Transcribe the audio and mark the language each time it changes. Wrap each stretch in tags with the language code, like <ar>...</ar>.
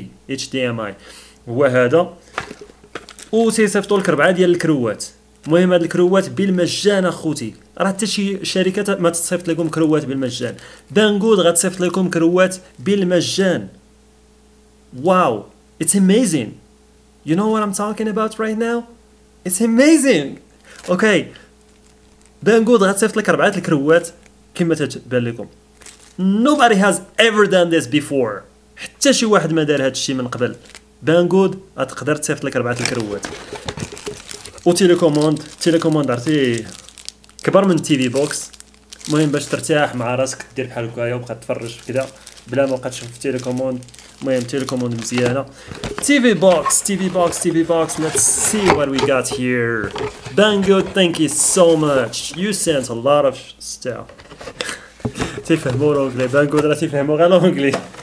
<ar>HDMI هو هذا و تيصيفطوا لك 4 ديال الكروات المهم هاد الكروات بالمجان اخوتي راه حتى شي شركه ما تصيفط لكم كروات بالمجان بانغود غتصيفط لكم كروات بالمجان</ar> <en>wow it's amazing you know what I'm talking about right now it's amazing okay</en> <ar>بانغود غتصيفط لك 4 الكروات كما تبان لكم.</ar> <en>Nobody has ever done this before.</en> <ar>حتى شي واحد ما دار هذا الشيء من قبل. بانغود تقدر تصيفط لك 4 الكروات وتيليكوموند. تيليكوموند عرفتي كبر من تي في بوكس. المهم باش ترتاح مع راسك دير بحال هكا وبقى تفرج كذا بلا ما بقات تشوف تيليكوموند. المهم تيليكوموند مزيانه. تي في بوكس.</ar> <en>Let's see what we got here. Banggood thank you so much. You sent a lot of stuff.</en> <ar>تفهموا لونجلي بانغود راه تفهموا غير لونجلي.</ar>